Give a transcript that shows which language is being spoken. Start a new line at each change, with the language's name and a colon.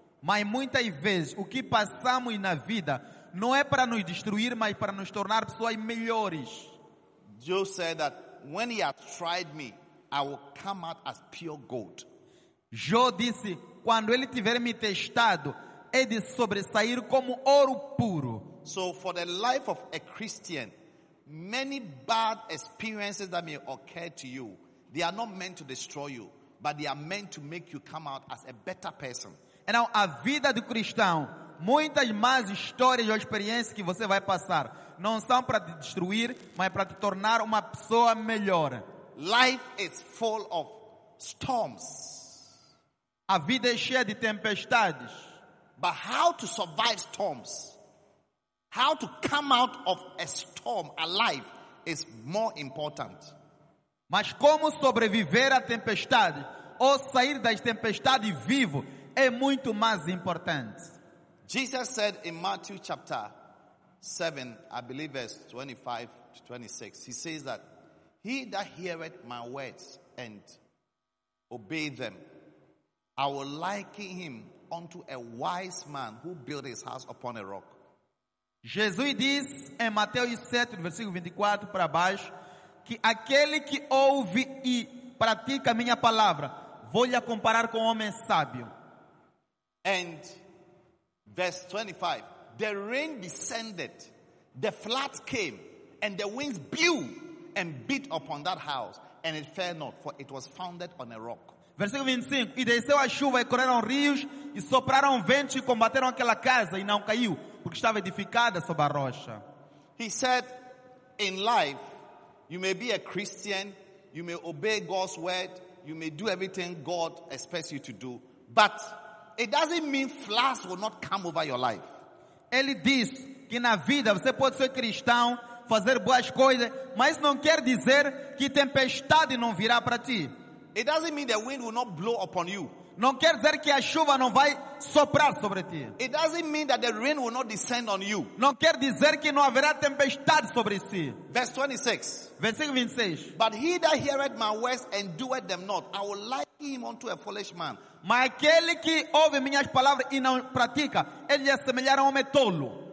Portuguese: Mas muitas vezes, o que passamos na vida não é para nos destruir, mas para nos tornar pessoas melhores.
English: Jesus said that when he has tried me, I will come out as pure gold.
Portuguese: Jó disse, quando ele tiver me testado, é de sobressair como ouro puro.
English: So for the life of a Christian, many bad experiences that may occur to you, they are not meant to destroy you, but they are meant to make you come out as a better person.
Portuguese: Então, a vida do cristão, muitas más histórias ou experiências que você vai passar, não são para te destruir, mas para te tornar uma pessoa melhor.
English: Life is full of storms.
Portuguese: A vida é cheia de tempestades.
English: But how to survive storms? How to come out of a storm alive is more important.
Portuguese: Mas como sobreviver à tempestade ou sair das tempestades vivo é muito mais importante.
English: Jesus said in Matthew chapter 7, I believe verse 25 to 26, he says that he that heareth my words and obey them, I will liken him unto a wise man who built his house upon a rock.
Portuguese: Jesus diz em Mateus 7, versículo 24 para baixo, que aquele que ouve e pratica a minha palavra, vou lhe comparar com um homem sábio.
English: And verse 25, the rain descended, the flood came, and the winds blew and beat upon that house, and it fell not, for it was founded on a rock.
Portuguese: Versículo 25, e desceu a chuva e correram rios e sopraram ventos e combateram aquela casa e não caiu, porque estava edificada sobre a rocha.
English: He said, in life, you may be a Christian, you may obey God's word, you may do everything God expects you to do, but it doesn't mean floods will not come over your life.
Portuguese: Ele diz que na vida você pode ser cristão, fazer boas coisas, mas não quer dizer que tempestade não virá para ti.
English: It doesn't mean the wind will not blow upon you.
Portuguese: Não quer dizer que a chuva não vai soprar sobre ti.
English: It doesn't mean that the rain will not descend on you.
Portuguese: Não quer dizer que não haverá tempestade sobre si.
English: Verse 26.
Portuguese: Versículo 26.
English: But he that heareth my words and doeth them not, I will liken him unto a foolish man.
Portuguese: Mas aquele que ouve minhas palavras e não pratica, ele é semelhante a homem tolo.